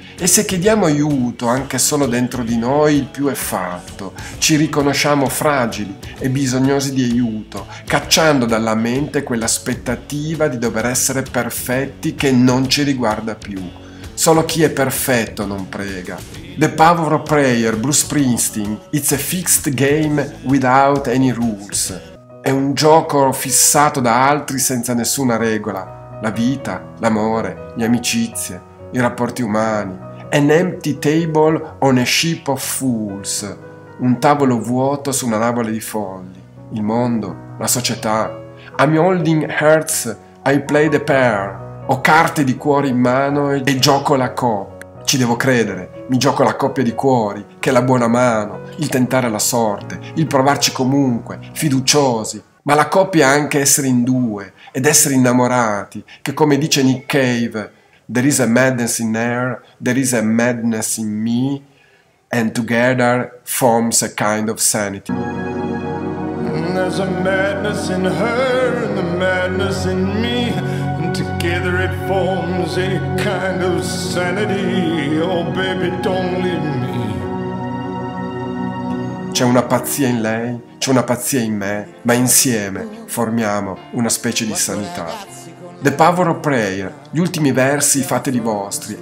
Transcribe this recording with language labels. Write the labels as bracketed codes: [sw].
[it] E se chiediamo aiuto anche solo dentro di noi, il più è fatto, ci riconosciamo fragili e bisognosi di aiuto, cacciando dalla mente quell'aspettativa di dover essere perfetti che non ci riguarda più. Solo chi è perfetto non prega. [en] The Power of Prayer, Bruce Springsteen. It's a fixed game without any rules. [it] È un gioco fissato da altri senza nessuna regola. La vita, l'amore, le amicizie, i rapporti umani. [en] An empty table on a ship of fools. [it] Un tavolo vuoto su una nave di folli. Il mondo, la società. [en] I'm holding hearts, I play the pair. [it] Ho carte di cuore in mano e gioco la coppia. Ci devo credere, mi gioco la coppia di cuori, che è la buona mano, il tentare la sorte, il provarci comunque, fiduciosi. Ma la coppia è anche essere in due ed essere innamorati, che come dice Nick Cave, [en] there is a madness in air, there is a madness in me, and together forms a kind of sanity. There's a madness in her and a madness in me. Together it forms a kind of sanity. Oh baby, don't leave me. [it] C'è una pazzia in lei, c'è una pazzia in me, ma insieme formiamo una specie di sanità. The Power of Prayer, gli ultimi versi fateli vostri.